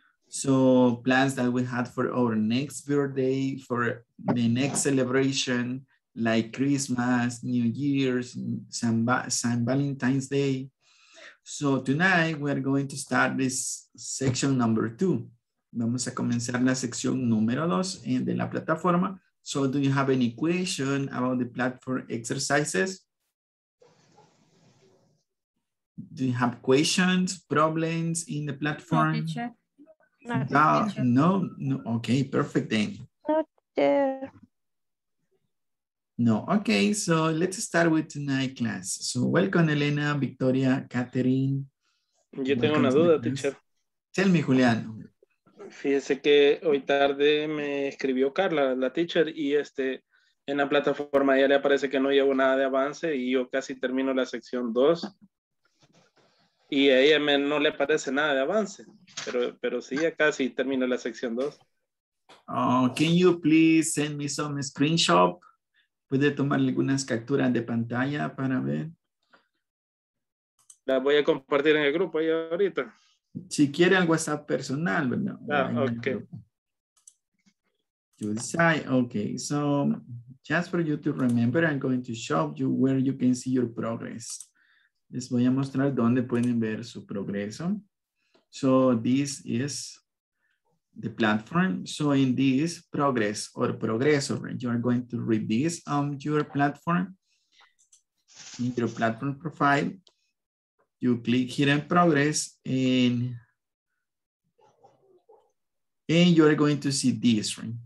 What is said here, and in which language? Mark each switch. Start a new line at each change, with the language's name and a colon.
English: So plans that we had for our next birthday, for the next celebration, like Christmas, New Year's, Saint Valentine's Day. So tonight we're going to start this section number 2.
Spanish: Vamos a comenzar la sección número 2 de la plataforma.
English: So do you have any question about the platform exercises? Do you have questions, problems in the platform? No, teacher. Okay, perfect then. Not there. No, okay, so let's start with tonight's class. So welcome, Elena, Victoria, Catherine.
Spanish: Yo tengo una duda, teacher.
English: Tell me, Julián.
Spanish: Fíjese que hoy tarde me escribió Carla, la teacher, y en la plataforma ya le aparece que no llevo nada de avance y yo casi termino la sección 2. Y a ella no le aparece nada de avance, pero sí, ya casi termino la sección 2.
English: Oh, can you please send me some screenshot?
Spanish: ¿Puede tomar algunas capturas de pantalla para ver? Las voy a compartir en el grupo ahí ahorita. Si quiere al WhatsApp personal, bueno. Ah, ok.
English: You decide. Okay, so just for you to remember, I'm going to show you where you can see your progress.
Spanish: Les voy a mostrar dónde pueden ver su progreso.
English: So this is the platform. So in this progress or progreso, right, you are going to read this on your platform, in your platform profile. You click here in progress and you are going to see this, right?